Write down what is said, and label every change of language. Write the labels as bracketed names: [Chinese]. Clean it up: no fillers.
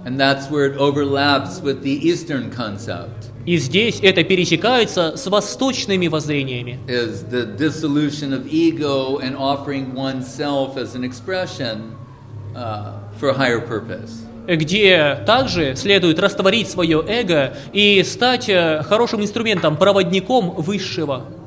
[English] And that's where it overlaps with the Eastern concept. [Russian] И здесь это пересекается с восточными воззрениями. [English] Is the dissolution of ego and offering oneself as an expression for a higher purpose. [Russian] Где также следует растворить свое эго и стать хорошим инструментом, проводником высшего.